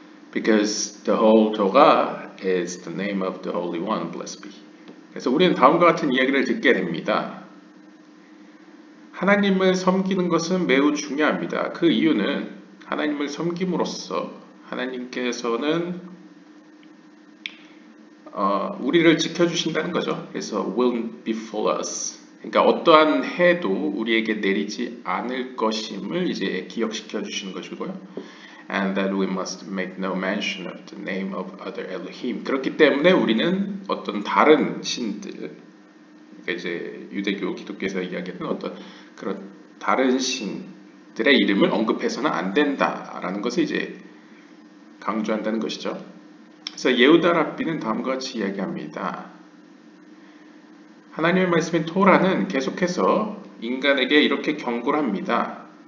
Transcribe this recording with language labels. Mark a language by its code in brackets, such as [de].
[en] Because the whole Torah is the name of the Holy One, blessed be. [ko] 그래서 우리는 다음과 같은 이야기를 듣게 됩니다. 하나님을 섬기는 것은 매우 중요합니다. 그 이유는 하나님을 섬김으로써 하나님께서는 우리를 지켜주신다는 거죠. 그래서 [en] will befall us. [ko] 그러니까 어떠한 해도 우리에게 내리지 않을 것임을 이제 기억시켜 주시는 것이고요. [en] And that we must make no mention of the name of other Elohim. [ko] 그렇기 때문에 우리는 어떤 다른 신들, 이제 유대교 기독교에서 이야기하는 어떤 그런 다른 신들의 이름을 언급해서는 안 된다라는 것을 이제 강조한다는 것이죠. 그래서 예후다 랍비는 다음과 같이 이야기합니다. 하나님의 말씀인 토라는 계속해서 인간에게 이렇게 경고를 합니다.